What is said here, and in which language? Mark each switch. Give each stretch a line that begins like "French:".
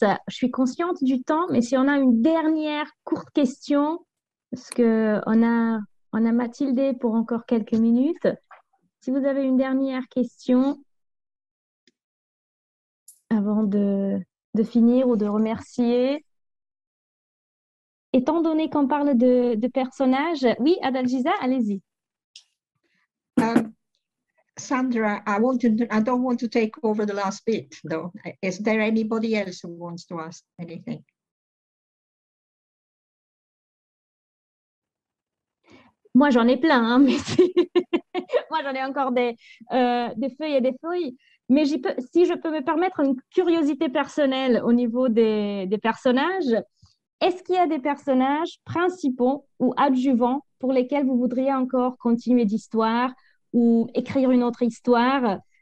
French: Je suis consciente du temps, mais si on a une dernière courte question, parce qu'on a Mathilde pour encore quelques minutes. Si vous avez une dernière question avant de finir ou de remercier. Étant donné qu'on parle de personnages, oui, Adalgisa, allez-y.
English: Sandra, I don't want to take over the last bit, though. Is there anybody else who wants to ask anything?
French: Moi, j'en ai plein, hein, mais moi, j'en ai encore des feuilles et des feuilles. Mais si je peux me permettre une curiosité personnelle au niveau des personnages. Est-ce qu'il y a des personnages principaux ou adjuvants pour lesquels vous voudriez encore continuer d'histoire ou écrire une autre histoire?